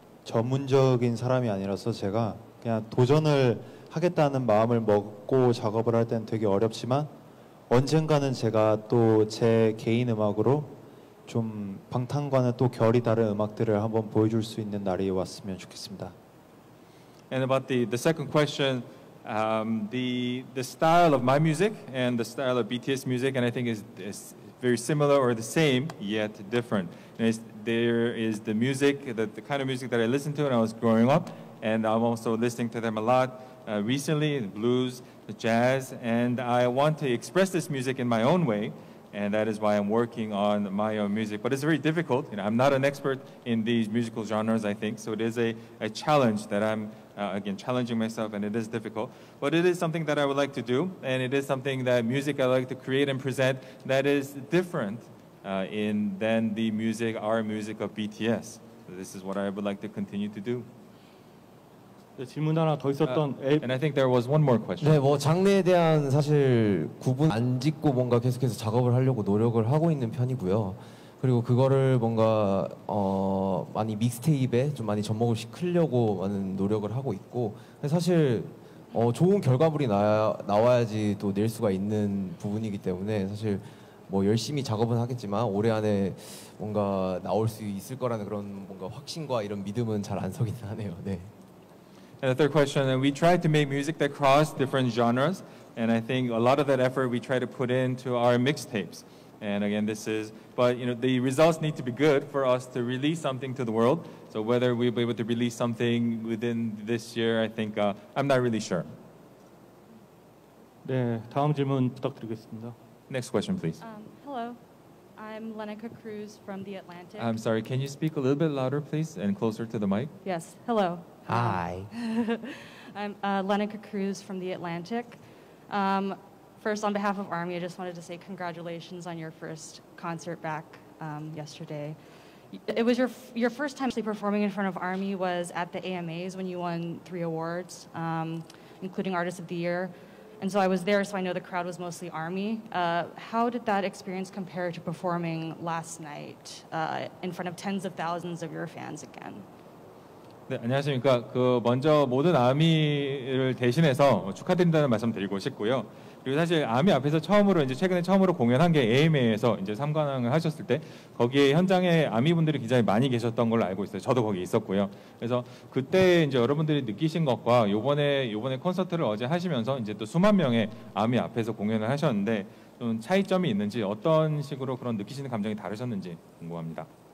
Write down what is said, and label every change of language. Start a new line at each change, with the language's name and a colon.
Korean: 전문적인 사람이 아니라서 제가 그냥 도전을 하겠다는 마음을 먹고 작업을 할 때는 되게 어렵지만 언젠가는 제가 또 제 개인 음악으로 좀 방탄과는 또 결이 다른 음악들을 한번 보여줄 수 있는 날이 왔으면 좋겠습니다.
English: And about the second question, the style of my music and the style of BTS music, and I think is very similar or the same, yet different. There is the music, the kind of music that I listened to when I was growing up, and I'm also listening to them a lot recently, the blues, the jazz, and I want to express this music in my own way, and that is why I'm working on my own music. But it's very difficult. You know, I'm not an expert in these musical genres, I think, so it is a challenge that I'm again, challenging myself, and it is difficult, but it is something that I would like to do, and it is something that music I like to create and present that is different than the music, our music of BTS. This is what I would like to continue to do.
Korean: 네, 질문 하나 더 있었던
English: And I think there was one more question.
Korean: 네, 뭐 장르에 대한 사실 구분 안 짓고 뭔가 계속해서 작업을 하려고 노력을 하고 있는 편이고요. 그리고 그거를 뭔가 많이 믹스테이프에 좀 많이 접목을 시키려고 많은 노력을 하고 있고 사실 좋은 결과물이 나와야지 또 낼 수가 있는 부분이기 때문에 사실 뭐 열심히 작업은 하겠지만 올해 안에 뭔가 나올 수 있을 거라는 그런 뭔가 확신과 이런 믿음은 잘 안 서긴 하네요. 네.
English: And the third question, we tried to make music that cross different genres, and I think a lot of that effort we try to put into our mixtapes. And again, this is, but you know, the results need to be good for us to release something to the world. So whether we'll be able to release something within this year, I think I'm not really sure.
Korean: 네, 다음 질문 부탁드리겠습니다.
English: Next question, please. Hello, I'm Lenica Cruz from The Atlantic. I'm sorry, can you speak a little bit louder, please, and closer to the mic? Yes, hello. Hi. I'm Lenica Cruz from The Atlantic. First, on behalf of ARMY, I just wanted to say congratulations on your first concert back yesterday. It was your first time performing in front of ARMY was at the AMAs when you won 3 awards, including Artist of the Year. And so I was there, so I know the crowd was mostly ARMY. How did that experience compare to performing last night in front of tens of thousands of your fans again?
Korean: 네, 안녕하십니까. 그 먼저 모든 아미를 대신해서 축하드린다는 말씀 드리고 싶고요. 그리고 사실 아미 앞에서 처음으로 이제 최근에 처음으로 공연한 게 AMA에서 이제 3관왕을 하셨을 때 거기에 현장에 아미 분들이 굉장히 많이 계셨던 걸 알고 있어요. 저도 거기 있었고요. 그래서 그때 이제 여러분들이 느끼신 것과 요번에 콘서트를 어제 하시면서 이제 또 수만 명의 아미 앞에서 공연을 하셨는데 좀 차이점이 있는지 어떤 식으로 그런 느끼시는 감정이 다르셨는지 궁금합니다.